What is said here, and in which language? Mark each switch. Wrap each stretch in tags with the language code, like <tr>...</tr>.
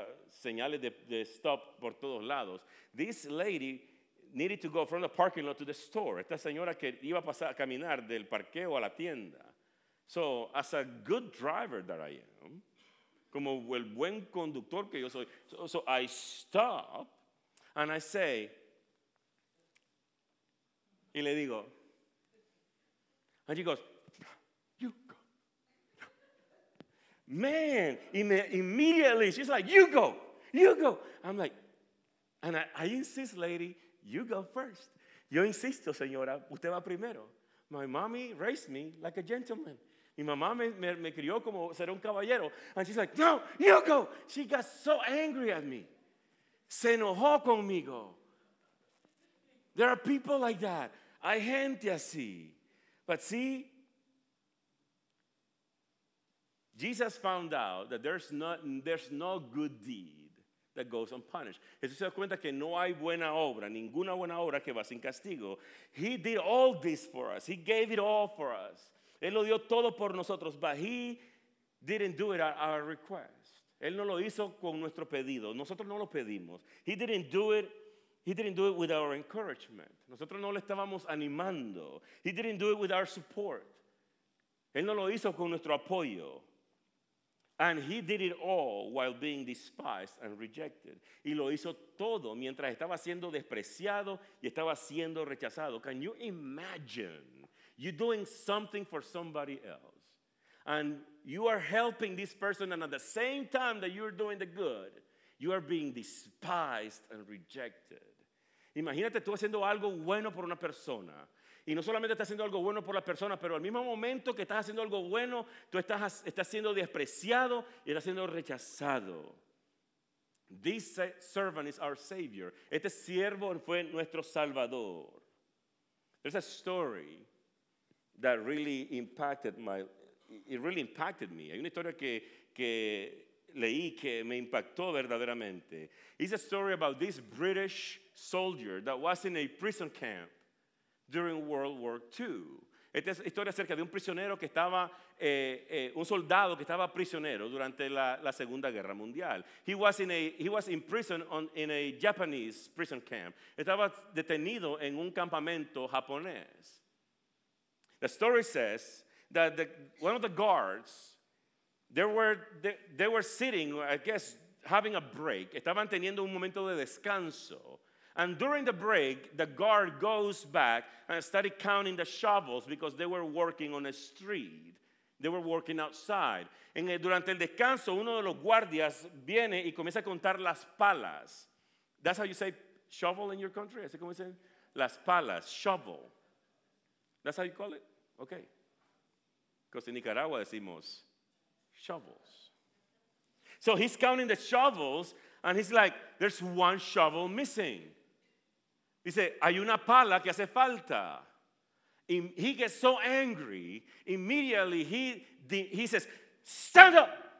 <es>Señales de stop por todos lados.</es> <en>This lady needed to go from the parking lot to the store.</en> <es>Esta señora que iba a pasar a caminar del parqueo a la tienda.</es> <en>So, as a good driver that I am,</en> <es>como el buen conductor que yo soy,</es> <en>so I stop and I say,</en> <es>y le digo,</es> <en>and she goes, you go. Man, immediately, she's like, you go, you go. I'm like, and I insist, lady, you go first.</en> <es>Yo insisto, señora, usted va primero.</es> <en>My mommy raised me like a gentleman.</en> <es>Mi mamá me crió como ser un caballero.</es> <en>And she's like, no, you go. She got so angry at me.</en> <es>Se enojó conmigo.</es> <en>There are people like that.</en> <es>Hay gente así.</es> <en>But see, Jesus found out that there's no good deed that goes unpunished.</en> <es>Jesús se da cuenta que no hay buena obra, ninguna buena obra que va sin castigo.</es> <en>He did all this for us. He gave it all for us.</en> <es>Él lo dio todo por nosotros,</es> <en>but he didn't do it at our request.</en> <es>Él no lo hizo con nuestro pedido. Nosotros no lo pedimos.</es> <en>He didn't do it with our encouragement.</en> <es>Nosotros no le estábamos animando.</es> <en>He didn't do it with our support.</en> <es>Él no lo hizo con nuestro apoyo.</es> <en>And he did it all while being despised and rejected.</en> <es>Y lo hizo todo mientras estaba siendo despreciado y estaba siendo rechazado.</es> <en>Can you imagine you doing something for somebody else? And you are helping this person, and at the same time that you're doing the good, you are being despised and rejected.</en> <es>Imagínate tú haciendo algo bueno por una persona. Y no solamente estás haciendo algo bueno por la persona, pero al mismo momento que estás haciendo algo bueno, tú estás siendo despreciado y estás siendo rechazado.</es> <en>This servant is our savior.</en> <es>Este siervo fue nuestro salvador.</es> <en>There's a story that really impacted me.</en> <es>Hay una historia que leí que me impactó verdaderamente.</es> <en>It's a story about this British soldier that was in a prison camp during World War II.</en> <es>Esta es historia acerca de un prisionero que estaba, un soldado que estaba prisionero durante la Segunda Guerra Mundial.</es> <en>He was in prison in a Japanese prison camp.</en> <es>Estaba detenido en un campamento japonés.</es> <en>The story says that one of the guards, they were sitting, I guess, having a break.</en> <es>Estaban teniendo un momento de descanso.</es> <en>And during the break, the guard goes back and started counting the shovels because they were working on a street. They were working outside.</en> <es>Durante el descanso, uno de los guardias viene y comienza a contar las palas.</es> <en>That's how you say shovel in your country?</en> <es>¿Así como dicen? Las palas,</es> <en>shovel. That's how you call it? Okay. Because in Nicaragua</en> <es>decimos</es> <en>shovels. So he's counting the shovels, and he's like, there's one shovel missing.</en> <es>Dice, hay una pala que hace falta.</es> <en>He gets so angry. Immediately he says, stand up.</en>